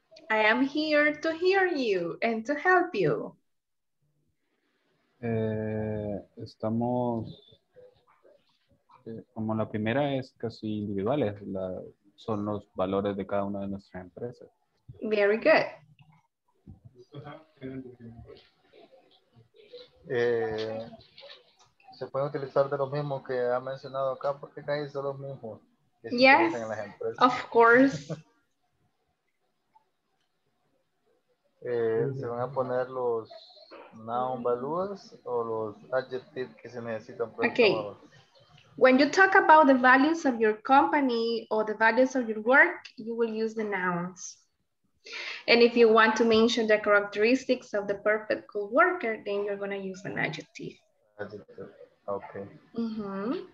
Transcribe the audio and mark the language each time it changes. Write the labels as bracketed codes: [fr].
[en] I am here to hear you and to help you. [es] Estamos como la primera es casi individuales, son los valores de cada una de nuestras empresas. [en] Very good. [es] Se puede utilizar de los mismos que ha mencionado acá porque casi son los mismos. [en] Yes, of course. [es] ¿Se van a poner los noun values o los adjectives que se necesitan? Por okay. [en] When you talk about the values of your company or the values of your work, you will use the nouns. And if you want to mention the characteristics of the perfect co-worker, then you're going to use an adjective. Okay.